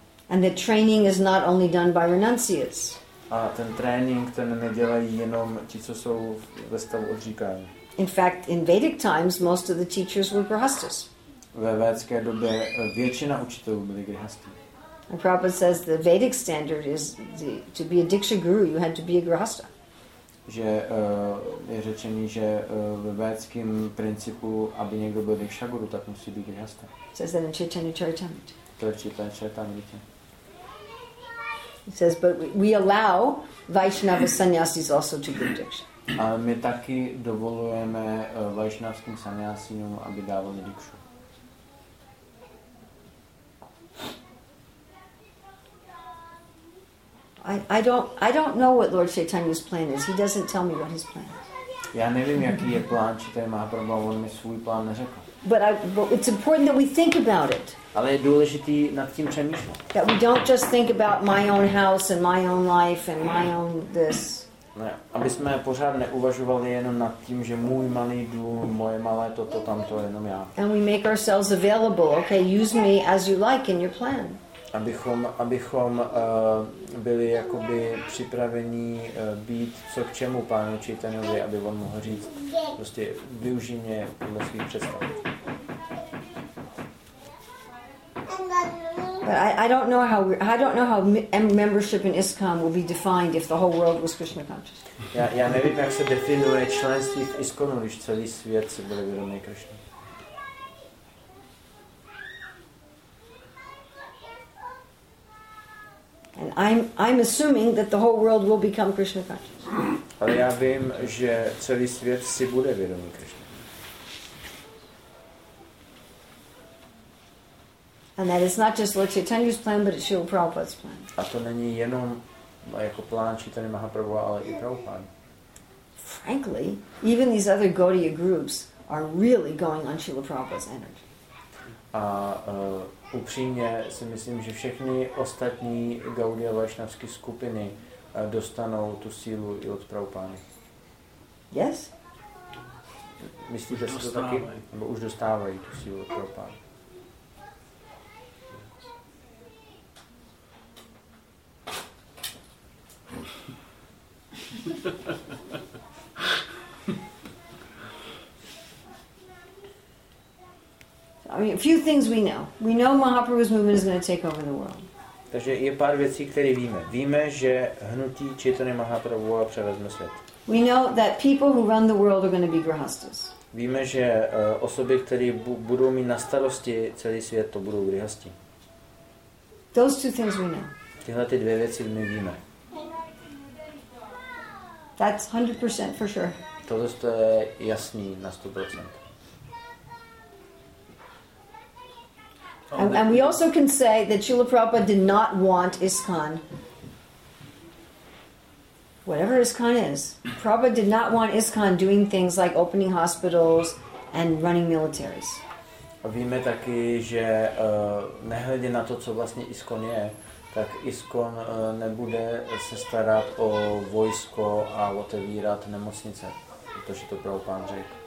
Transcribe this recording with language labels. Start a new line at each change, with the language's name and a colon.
English: And the training is not only done by renunciates.
Czech: A ten trénink, ten nedělají jenom ti, co jsou ve stavu odříkání.
English: In fact, in Vedic times, most of the teachers were grihastas.
Czech: Ve védské době většina učitelů byli grihasty.
English: And Prabhupada says the Vedic standard is to be a Diksha guru, you had to be a grihasta.
Czech: Že je řečený, že ve védském principu, aby někdo byl Diksha guru, tak musí být grihasta.
English: Says that in Chaitanya Charitamrita.
Czech: To je Chaitanya Charitamrita.
English: He says, but we allow Vaishnava sannyasis also to give Diksha.
Czech: A my taky dovolujeme Vaishnavským sannyasinům, aby dávali Dikshu.
English: I don't know what Lord Chaitanya's plan is. He doesn't tell me what his plan is.
Czech: Já nevím, jaký je plán Chaitanya Mahaprabhu, on mi svůj plán neřekl.
English: But it's important that we think about it.
Czech: Ale je důležité nad tím přemýšlet.
English: That we don't just think about my own house and my own life and my own this.
Czech: Ne, aby jsme pořád neuvažovali jenom nad tím, že můj malý dům, moje malé toto, tamto, jenom já.
English: And we make ourselves available. Okay, use me as you like in your plan.
Czech: Abychom byli jakoby připravení být co k čemu Pánu Čaitanyovi, aby on mohl říct prostě využijně podle svých představ.
English: But I don't know how membership in ISKCON will be defined if the whole world was Krishna conscious.
Czech: Já nevím, jak se definuje členství v ISKCONu, když celý svět se bude vědomý Krishna.
English: And I'm assuming that the whole world will become Krishna conscious.
Czech: Ale já vím, že celý svět si bude vědomý Krishna.
English: And that it's not just Lord Chaitanya's plan, but it's Srila Prabhupada's plan.
Czech: A to není jenom jako plán Chaitanya Mahaprabhu, ale i Prabhupada.
English: Frankly, even these other Gaudiya groups are really going on Srila Prabhupada's energy.
Czech: A upřímně si myslím, že všechny ostatní Gaudiya Vaishnavské skupiny dostanou tu sílu i od Prabhupány.
English: Yes.
Czech: Myslíte, že to taky? Nebo už dostávají tu sílu od Prabhupány?
English: So I mean, a few things we know. We know Mahaprabhu's movement is going to take over the world.
Czech: Takže je pár věcí, které víme. Víme, že hnutí Chaitanya Mahaprabhu převezme svět.
English: We know that people who run the world are going to be grihasthas.
Czech: Víme, že osoby, které budou mít na starosti celý svět, to budou grihasti.
English: Those two things we know.
Czech: Tyhle ty dvě věci my víme.
English: That's 100% for sure.
Czech: Tohle je jasný na 100%.
English: And we also can say that Srila Prabhupada did not want ISKCON. Whatever ISKCON is, Prabhupada did not want ISKCON doing things like opening hospitals and running militaries.
Czech: A víme taky, že nehledě na to, co vlastně ISKCON je, tak ISKCON nebude se starat o vojsko a otevírat nemocnice, protože to Prabhupada řekl.